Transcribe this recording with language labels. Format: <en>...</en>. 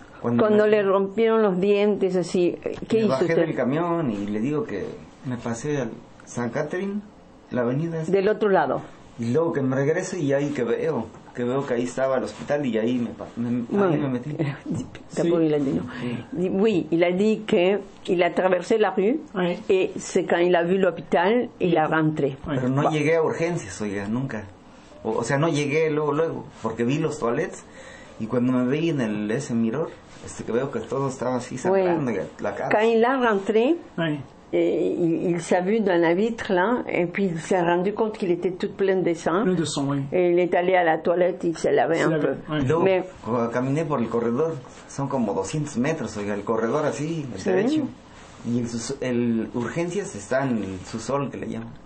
<es>Cuando le rompieron los dientes, así, ¿qué me hizo bajé usted? Del camión y le digo que me pasé a San Catherine, la avenida. Esa. Del otro lado. Y luego que me regreso y ahí que veo que ahí estaba el hospital y ahí me metí. Sí.</es> <fr>Oui, il a dit que il a traversé la rue et c'est quand il a vu l'hôpital, il a rentré.</fr> <es>Pero no llegué a urgencias, oiga, nunca. O sea, no llegué luego, porque vi los toilets. Y cuando me vi en ese mirror, que veo que todo estaba así sangrando, la cara.</es> <fr>Quand il a rentré, il s'est vu dans la vitre là, et puis il s'est rendu compte qu'il était tout plein de sang. Plein de sang, oui. Et il est allé à la toilette, il s'est lavé un peu. Oui.</fr> <es>Mais luego, caminé por el corredor, son como 200 metros, oiga, el corredor así, el derecho. Y el urgencias está en el sous-sol, que le llaman.</es>